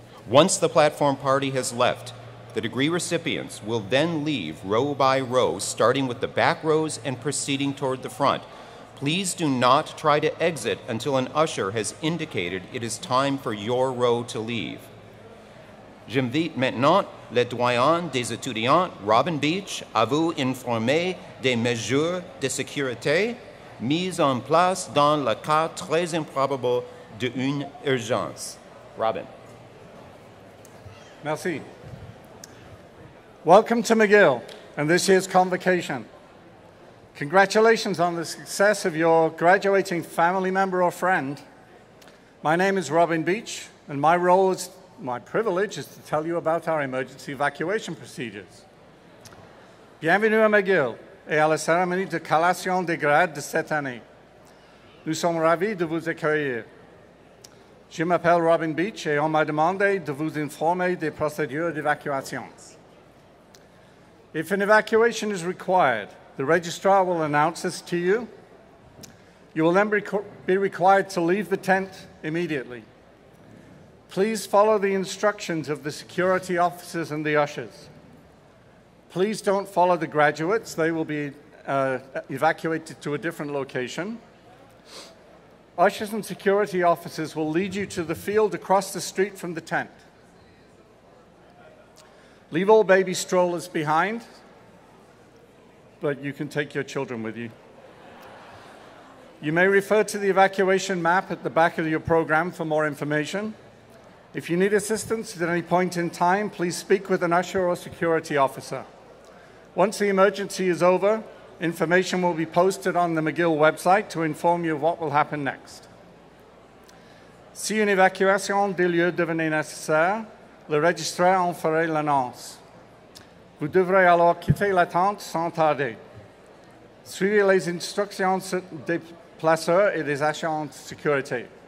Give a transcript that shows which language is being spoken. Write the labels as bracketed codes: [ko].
[en] Once the platform party has left, the degree recipients will then leave row by row, starting with the back rows and proceeding toward the front. Please do not try to exit until an usher has indicated it is time for your row to leave. [fr] J'invite maintenant le doyen des étudiants, Robin Beach, à vous informer des mesures de sécurité mises en place dans le cas très improbable d'une urgence. Robin. [en] Merci. Welcome to McGill and this year's convocation. Congratulations on the success of your graduating family member or friend. My name is Robin Beach, and my privilege is to tell you about our emergency evacuation procedures. [fr] Bienvenue à McGill et à la cérémonie de collation des grades de cette année. Nous sommes ravis de vous accueillir. Je m'appelle Robin Beach et on m'a demandé de vous informer des procédures d'évacuation. [en] If an evacuation is required, the registrar will announce this to you. You will then be required to leave the tent immediately. Please follow the instructions of the security officers and the ushers. Please don't follow the graduates. They will be evacuated to a different location. Ushers and security officers will lead you to the field across the street from the tent. Leave all baby strollers behind, but you can take your children with you. You may refer to the evacuation map at the back of your program for more information. If you need assistance at any point in time, please speak with an usher or security officer. Once the emergency is over, information will be posted on the McGill website to inform you of what will happen next. [fr] Si une évacuation des lieux devenait nécessaire, le registraire en ferait l'annonce. Vous devrez alors quitter la tente sans tarder. Suivez les instructions des placeurs et des agents de sécurité.